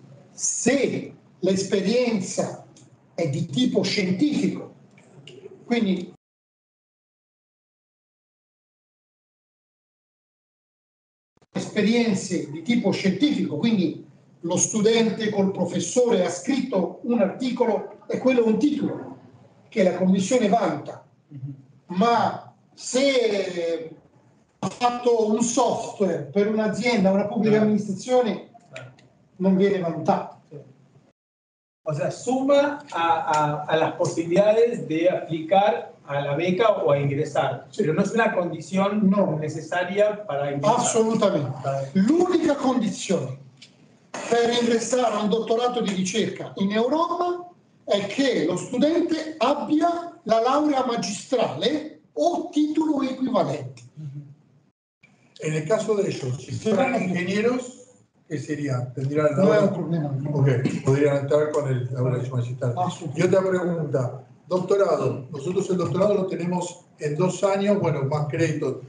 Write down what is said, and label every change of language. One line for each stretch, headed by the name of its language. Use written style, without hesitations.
Italian: Se l'esperienza è di tipo scientifico, quindi esperienze di tipo scientifico, quindi lo studente col professore ha scritto un articolo e quello è un titolo che la commissione valuta. Ma se ha fatto un software per un'azienda, una pubblica amministrazione, non viene valutato.
Spanish: O sea, suma a las posibilidades de aplicar a la beca o a ingresar, pero no es una condición necesaria para ingresar. Absolutamente.
Italian: L'unica condizione per ingressare a un dottorato di ricerca in Europa è che lo studente abbia la laurea magistrale o titolo equivalente.
Spanish: En el caso de ellos, si fueran ingenieros, ¿qué sería? ¿Tendrían la... No hay problema. Ok, podrían entrar con el laboratorio magistral. Y otra pregunta, doctorado. Nosotros el doctorado lo tenemos en 2 años, bueno, más créditos.